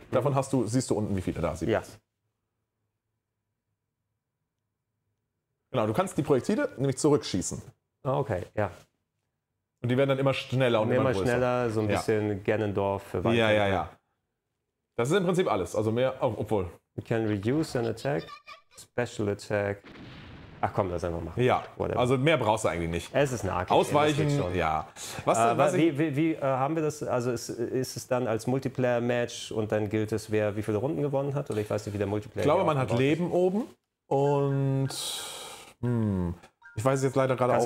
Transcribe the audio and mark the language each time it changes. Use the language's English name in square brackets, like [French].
[German] Davon siehst du unten, wie viele da sind. Ja. Genau, du kannst die Projektile nämlich zurückschießen. Okay, ja. Und die werden dann immer schneller und immer größer. Immer schneller, so ein bisschen Ganondorf. Ja, ja, ja. Das ist im Prinzip alles. Also mehr, obwohl. [English] You can reduce an attack, special attack. [German] Ach komm, das einfach machen. Ja, [English] whatever. [German] Also mehr brauchst du eigentlich nicht. Es ist eine Arcade. Ausweichen, ja. Haben wir das, also ist es dann als Multiplayer-Match und dann gilt es, wer wie viele Runden gewonnen hat? Oder ich weiß nicht, wie der Multiplayer ist. Ich glaube, man hat Leben oben und... ich weiß jetzt leider gerade auch nicht.